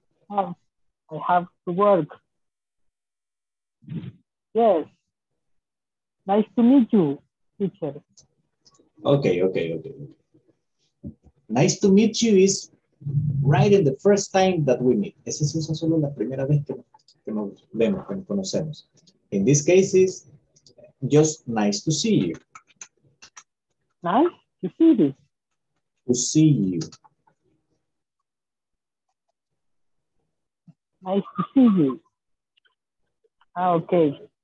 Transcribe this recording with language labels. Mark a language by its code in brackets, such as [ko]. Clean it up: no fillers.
[en] I have to work. Yes. Nice to meet you, teacher. Okay, okay, okay. Nice to meet you is right in the first time that we meet. [es] Esa es solo la primera vez que nos vemos, que nos conocemos. [en] In this case is just nice to see you. Nice to see you. To see you. Nice to see you. Ah, okay.